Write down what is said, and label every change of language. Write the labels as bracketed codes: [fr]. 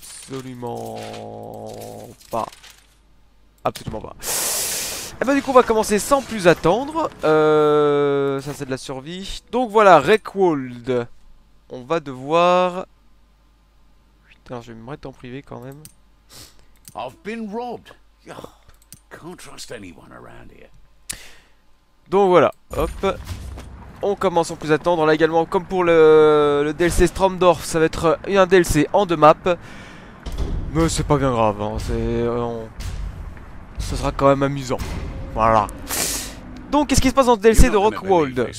[fr] Absolument pas. Absolument pas. Et bah du coup on va commencer sans plus attendre. Ça c'est de la survie. Donc voilà, Rekwall. On va devoir... Putain, je vais me mettre en privé quand même. [en] I've been robbed. Can't trust anyone around here. [fr] Donc voilà, hop. On commence sans plus attendre. Là également, comme pour le DLC Stromdorf, ça va être un DLC en deux maps. Mais c'est pas bien grave, hein. Ce sera quand même amusant. Voilà. Donc, qu'est-ce qui se passe dans ce DLC de Rekwall?